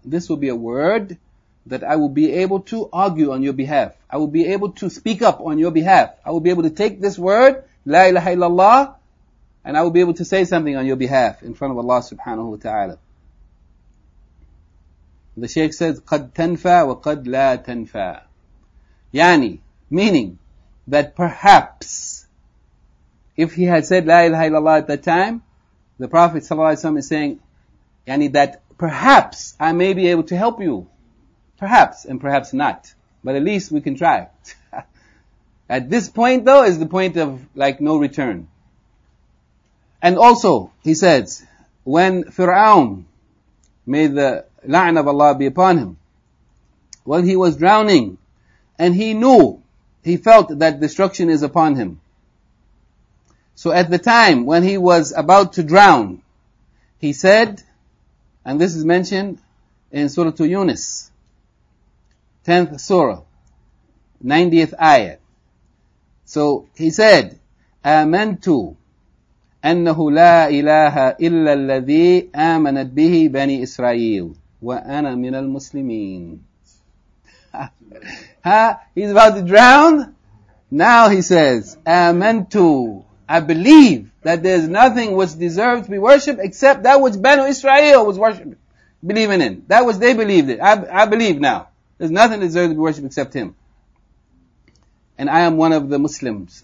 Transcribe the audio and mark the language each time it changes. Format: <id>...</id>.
<en>This will be a word that I will be able to argue on your behalf. I will be able to speak up on your behalf. I will be able to take this word,</en> <ar>لا إله إلا الله,</ar> <en>and I will be able to say something on your behalf in front of Allah subhanahu wa ta'ala. The Shaykh says,</en> <ar>قَدْ تَنْفَى وَقَدْ لَا تَنْفَى.</ar> <en>Yani, meaning that perhaps if he had said,</en> <ar>لا إله إلا الله</ar> <en>at that time, the Prophet</en> <ar>صلى الله عليه وسلم</ar> <en>is saying, yani that perhaps I may be able to help you. Perhaps and perhaps not. But at least we can try. At this point though, is the point of like no return. And also, he says, when Fir'aun, may the la'an of Allah be upon him, when he was drowning, and he knew, he felt that destruction is upon him. So at the time when he was about to drown, he said, and this is mentioned in Surah Yunus, 10th Surah, 90th Ayah. So he said,</en> <ar>آمَنْتُ أَنَّهُ لَا إِلَهَ إِلَّا الَّذِي آمَنَتْ بِهِ بَنِي إِسْرَائِيلُ وَأَنَا مِنَ الْمُسْلِمِينَ.</ar> <en>He's about to drown. Now he says, آمَنْتُ, I believe that there is nothing which deserves to be worshipped except that which Banu Israel was worshipping, believing in. That which they believed in. I believe now. There's nothing deserves to be worshipped except him. And I am one of the Muslims.</en>